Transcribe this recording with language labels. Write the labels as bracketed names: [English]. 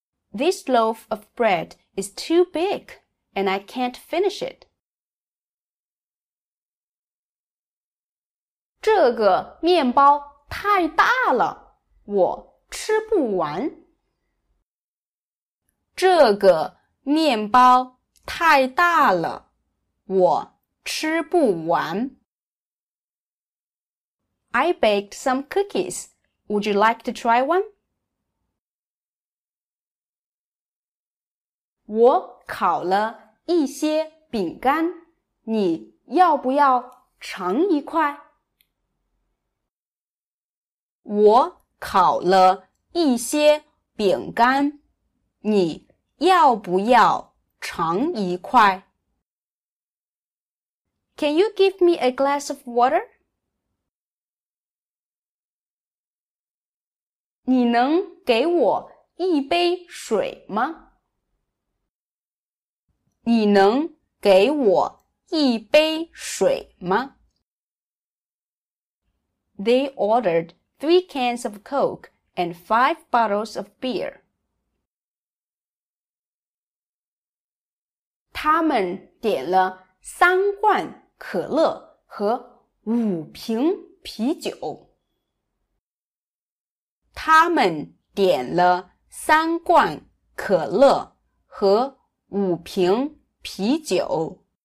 [English] This loaf of bread is too big, and I can't finish it. [Chinese] 这个面包太大了，我吃不完。这个面包太大了，我吃不完。 [English] I baked some cookies. Would you like to try one? [Chinese] 我烤了一些饼干，你要不要尝一块？我烤了一些饼干，你要不要尝一块？ [English] Can you give me a glass of water? [Chinese] 你能给我一杯水吗？你能给我一杯水吗？ [English] They ordered 3 cans of Coke and 5 bottles of beer. [Chinese] 他们点了三罐可乐和五瓶啤酒。他们点了三罐可乐和五瓶啤酒。